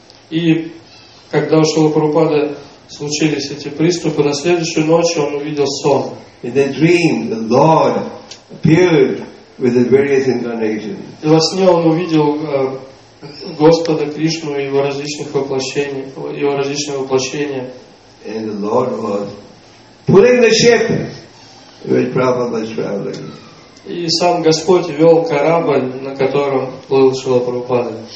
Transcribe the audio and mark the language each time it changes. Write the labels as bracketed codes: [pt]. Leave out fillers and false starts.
[ru] И когда у Шрилы Прабхупады случились эти приступы, на следующую ночь он увидел сон. [en] In the dream, the Lord appeared with his various incarnations. [ru] И во сне он увидел Господа Кришну и его различных воплощений, его различные воплощения. [en] And the Lord was pulling the ship in which Prabhupada was traveling. [ru] И сам Господь вел корабль, на котором плыл Шрила Прабхупада.